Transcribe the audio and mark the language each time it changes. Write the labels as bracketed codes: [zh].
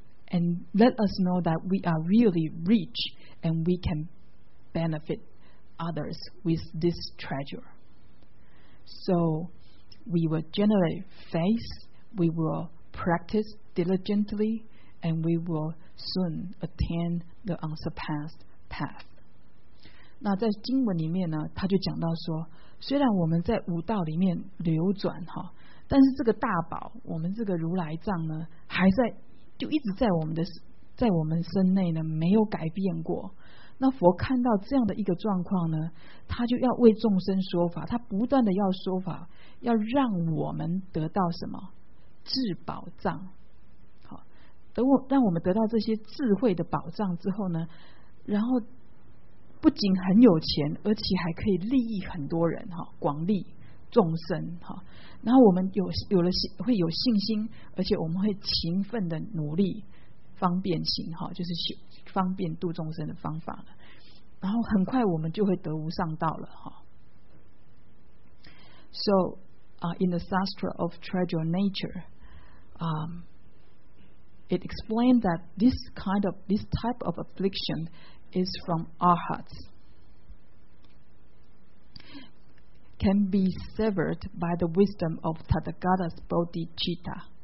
[en] and let us know that we are really rich and we can benefit others with this treasure. So we will generate faith, we will practice diligently, and we will soon attain the unsurpassed path. [zh] 那在经文里面呢，他就讲到说，虽然我们在五道里面流转，但是这个大宝，我们这个如来藏呢，还在，就一直在我们的，在我们身内呢，没有改变过。那佛看到这样的一个状况呢，他就要为众生说法，他不断的要说法，要让我们得到什么？智宝藏。好，让我们得到这些智慧的宝藏之后呢，然后不仅很有钱，而且还可以利益很多人，广利众生。然后我们 有了会有信心，而且我们会勤奋的努力方便行，就是方便度众生的方法，然后很快我们就会得无上道了。 [en] So in the Sastra of Treasure Nature it explained that this type of afflictionis from arhats, can be severed by the wisdom of Tathagata's bodhicitta.